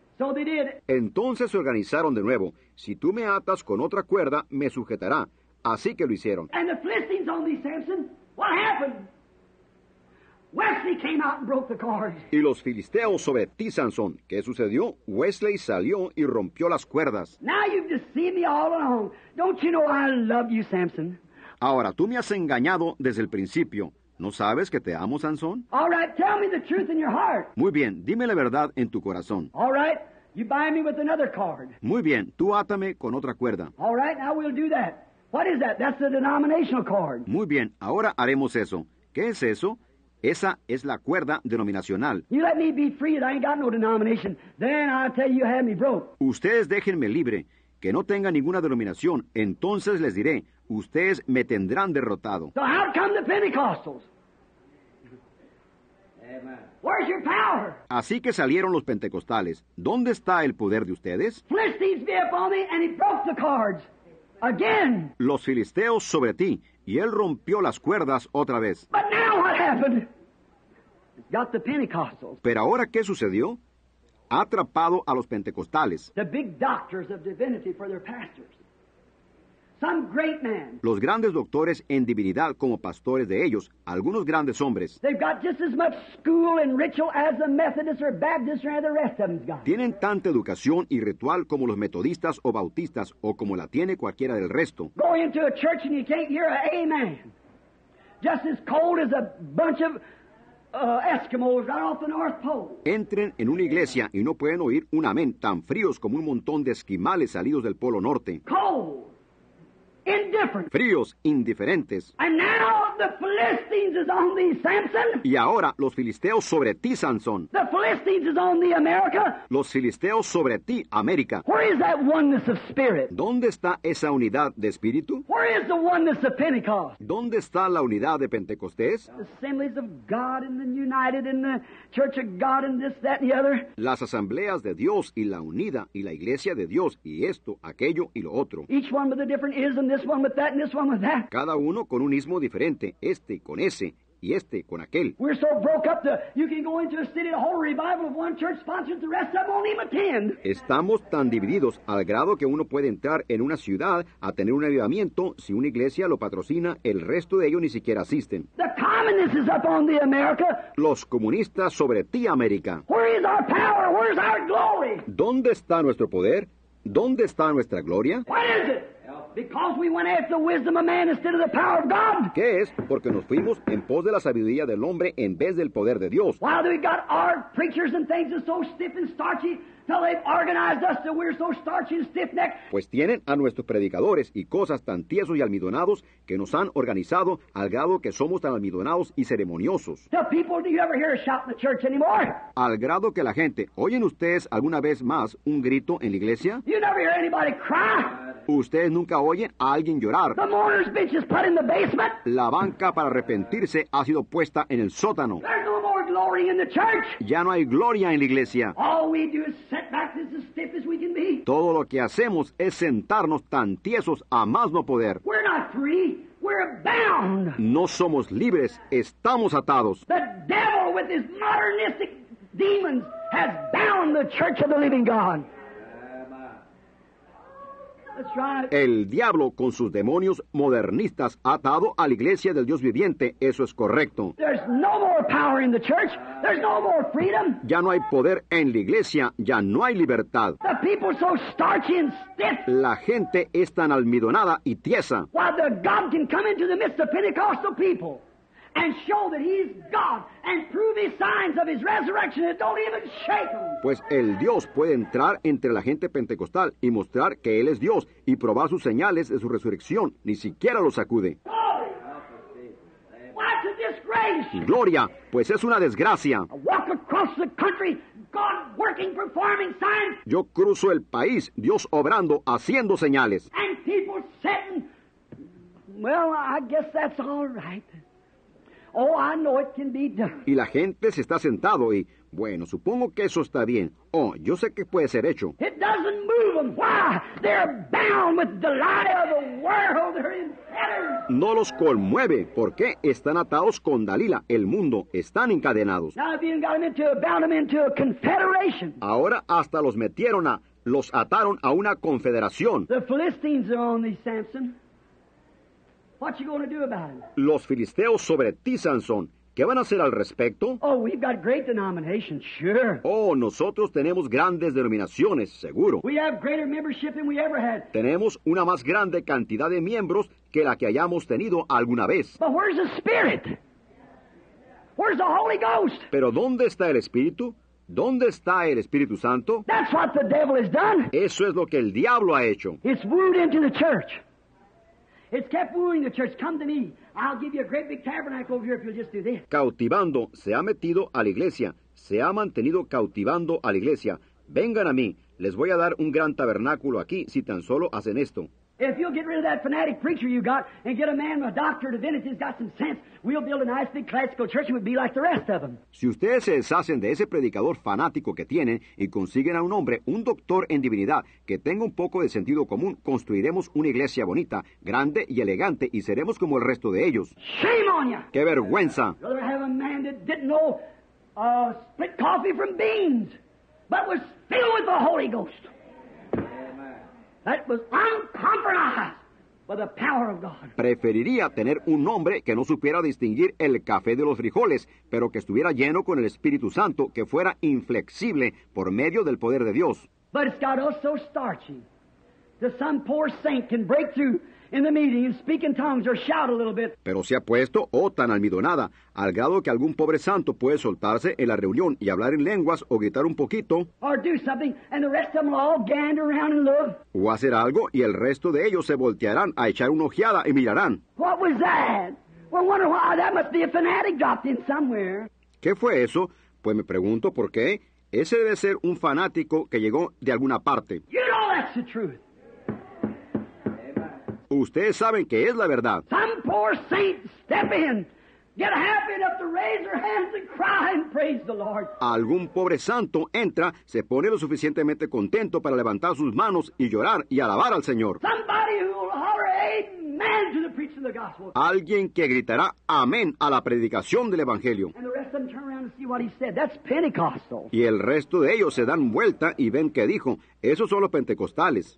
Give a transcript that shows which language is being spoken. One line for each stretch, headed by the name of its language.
English: So they did.
Spanish: Entonces se organizaron de nuevo. Si tú me atas con otra cuerda, me sujetará. Así que lo hicieron.
English: And the Philistines on these Samson, what happened? Wesley came out and broke the cord.
Spanish: Y los filisteos sobre ti, Sansón. ¿Qué sucedió? Wesley salió y rompió las cuerdas.
English: Now you've deceived me all along. Don't you know I love you, Samson?
Spanish: Ahora, tú me has engañado desde el principio. ¿No sabes que te amo, Sansón?
English: All right, tell me the truth in your heart.
Spanish: Muy bien, dime la verdad en tu corazón.
English: All right, you bind me with another cord.
Spanish: Muy bien, tú átame con otra cuerda.
English: All right, now we'll do that. What is that? That's the denominational cord.
Spanish: Muy bien, ahora haremos eso. ¿Qué es eso? Esa es la cuerda denominacional.
English: You let me be free and I ain't got no denomination. Then I tell you have me broke.
Spanish: Ustedes déjenme libre, que no tenga ninguna denominación. Entonces les diré, ustedes me tendrán derrotado.
English: So how come the Pentecostals? Amen. Where's your power?
Spanish: Así que salieron los pentecostales. ¿Dónde está el poder de ustedes?
English: Philistines be upon me and he broke the cords. Again.
Spanish: Los filisteos sobre ti. Y él rompió las cuerdas otra vez.
English: But now what happened? Got the Pentecostals.
Spanish: Pero ahora, ¿qué sucedió? Ha atrapado a los pentecostales.
English: The big doctors of divinity for their pastors. Some great man.
Spanish: Los grandes doctores en divinidad como pastores de ellos, algunos grandes hombres.
English: They've got just as much school and ritual as the Methodists or Baptists or the rest of them's got.
Spanish: Tienen tanta educación y ritual como los metodistas o bautistas o como la tiene cualquiera del resto.
English: Go into a church and you can't hear an amen. Just as cold as a bunch of Eskimos right off the North Pole.
Spanish: Entren en una iglesia y no pueden oír un amén, tan fríos como un montón de esquimales salidos del Polo Norte.
English: Cold. Indifferent.
Spanish: Fríos, indiferentes.
English: And now the Philistines is on thee, Samson.
Spanish: Y ahora los filisteos sobre ti, Sansón.
English: The Philistines is on thee, America.
Spanish: Los filisteos sobre ti, América.
English: Where is that oneness of spirit?
Spanish: ¿Dónde está esa unidad de espíritu?
English: Where is the oneness of Pentecost?
Spanish: ¿Dónde está la unidad de Pentecostés?
English: The assemblies of God and the united in the church of God and this, that, and the other.
Spanish: Las asambleas de Dios y la unida y la iglesia de Dios y esto, aquello y lo otro.
English: Each one with a different ism. This one with that and this one with that.
Spanish: Cada uno con un ismo diferente, este con ese y este con aquel.
English: We're so broke up that you can go into a city, a whole revival of one church sponsored, the rest of them won't even attend.
Spanish: Estamos tan divididos al grado que uno puede entrar en una ciudad a tener un avivamiento si una iglesia lo patrocina, el resto de ellos ni siquiera asisten.
English: The communists is up on the America.
Spanish: Los comunistas sobre ti, América.
English: Where is our power? Where is our glory?
Spanish: ¿Dónde está nuestro poder? ¿Dónde está nuestra gloria?
English: What is it? Because we went after the wisdom of man instead of the power of God.
Spanish: ¿Qué es? Porque nos fuimos en pos de la sabiduría del hombre en vez del poder de Dios.
English: Why do we got our preachers and things that are so stiff and starchy? Now they've organized us that we're so starchy and stiff-necked.
Spanish: Pues tienen a nuestros predicadores y cosas tan tiesos y almidonados que nos han organizado al grado que somos tan almidonados y ceremoniosos.
English: The people, do you ever hear a shout in the church anymore?
Spanish: Al grado que la gente, ¿oyen ustedes alguna vez más un grito en la iglesia?
English: You never hear anybody cry.
Spanish: Ustedes nunca oyen a alguien llorar.
English: The mourner's bench is put in the basement.
Spanish: La banca para arrepentirse ha sido puesta en el sótano.
English: There's no more glory in the church.
Spanish: Ya no hay gloria en la iglesia.
English: All we do is set back as stiff as we can be.
Spanish: Todo lo que hacemos es sentarnos tan tiesos a más no poder.
English: We're not free. We're bound.
Spanish: No somos libres. Estamos atados.
English: The devil with his modernistic demons has bound the church of the living God.
Spanish: El diablo con sus demonios modernistas ha atado a la iglesia del Dios viviente. Eso es correcto.
English: There's no more power in the church. There's no more freedom.
Spanish: Ya no hay poder en la iglesia. Ya no hay libertad.
English: The people so starchy and stiff.
Spanish: La gente es tan almidonada y tiesa.
English: While the God can come into the midst of Pentecostal people and show that he's God and prove his signs of his resurrection that don't even shake them.
Spanish: Pues el Dios puede entrar entre la gente pentecostal y mostrar que él es Dios y probar sus señales de su resurrección, ni siquiera lo sacude.
English: What's a disgrace?
Spanish: Gloria, pues es una desgracia.
English: I walk across the country, God working, performing signs.
Spanish: Yo cruzo el país, Dios obrando, haciendo señales.
English: And people sitting, well, I guess that's all right. Oh, I know it can be done.
Spanish: Y la gente se está sentado y, bueno, supongo que eso está bien. Oh, yo sé que puede ser hecho.
English: It doesn't move them. Why? They're bound with the lie of the world. They're in fetters.
Spanish: No los conmueve. ¿Por qué? Están atados con Dalila, el mundo. Están encadenados.
English: Now they've even got them into, bound them into a confederation.
Spanish: Ahora hasta los metieron a, los ataron a una confederación.
English: The Philistines are on these, Samson. What you going to do about it?
Spanish: Los filisteos sobre ti, Sansón. ¿Qué van a hacer al respecto?
English: Oh, we've got great denominations, sure.
Spanish: Oh, nosotros tenemos grandes denominaciones, seguro.
English: We have greater membership than we ever had.
Spanish: Tenemos una más grande cantidad de miembros que la que hayamos tenido alguna vez.
English: But where's the Spirit? Where's the Holy Ghost?
Spanish: Pero ¿dónde está el Espíritu? ¿Dónde está el Espíritu Santo?
English: That's what the devil has done.
Spanish: Eso es lo que el diablo ha hecho.
English: It's wooed into the church. It's kept wooing the church. Come to me. I'll give you a great big tabernacle over here if you'll just do this.
Spanish: Cautivando, se ha metido a la iglesia. Se ha mantenido cautivando a la iglesia. Vengan a mí. Les voy a dar un gran tabernáculo aquí si tan solo hacen esto.
English: If you'll get rid of that fanatic preacher you got and get a man with a doctor of divinity who's got some sense, we'll build a nice big classical church and we'll be like the rest of them.
Spanish: Si ustedes se deshacen de ese predicador fanático que tienen y consiguen a un hombre, un doctor en divinidad, que tenga un poco de sentido común, construiremos una iglesia bonita, grande y elegante y seremos como el resto de ellos.
English: Shame on you!
Spanish: ¡Qué vergüenza!
English: You'd rather have a man that didn't know split coffee from beans, but was filled with the Holy Ghost. That was uncompromised by the power of God.
Spanish: Preferiría tener un hombre que no supiera distinguir el café de los frijoles, pero que estuviera lleno con el Espíritu Santo, que fuera inflexible por medio del poder de Dios.
English: But it's got us so starchy that some poor saint can break through in the meeting and speak in tongues or shout a little bit.
Spanish: Pero se ha puesto, tan almidonada, al grado que algún pobre santo puede soltarse en la reunión y hablar en lenguas o gritar un poquito.
English: Or do something and the rest of them will all gander around and look.
Spanish: O hacer algo y el resto de ellos se voltearán a echar una ojeada y mirarán.
English: What was that? Well, I wonder why that must be a fanatic dropped in somewhere.
Spanish: ¿Qué fue eso? Pues me pregunto por qué. Ese debe ser un fanático que llegó de alguna parte.
English: You know that's the truth.
Spanish: Ustedes saben que es la verdad.
English: Some poor saint step in, get happy enough to raise their hands and cry and praise the Lord.
Spanish: Algún pobre santo entra, se pone lo suficientemente contento para levantar sus manos y llorar y alabar al Señor.
English: Somebody who will holler amen to the preaching of the gospel.
Spanish: Alguien que gritará amén a la predicación del evangelio.
English: And the rest of them turn around and see what he said. That's Pentecostal.
Spanish: Y el resto de ellos se dan vuelta y ven que dijo. Esos son los pentecostales.